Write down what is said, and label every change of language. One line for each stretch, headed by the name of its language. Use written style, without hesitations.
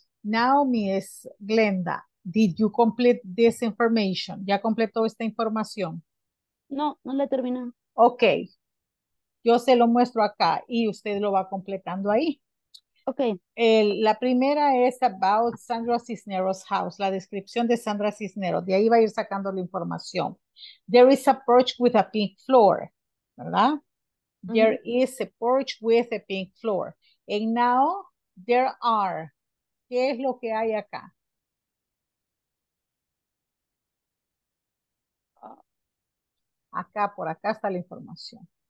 English: Now, Miss Glenda, did you complete this information?
Spanish: ¿Ya completó esta información? No, no la terminé.
English: Okay.
Spanish: Yo se lo muestro acá y usted lo va completando ahí.
English: Okay.
Spanish: La primera es
English: about Sandra Cisneros' house,
Spanish: la descripción de Sandra Cisneros. De ahí va a ir sacando la información.
English: There is a porch with a pink floor,
Spanish: ¿verdad?
English: There is a porch with a pink floor. And now, there are.
Spanish: ¿Qué es lo que hay acá? Acá, por acá está la información.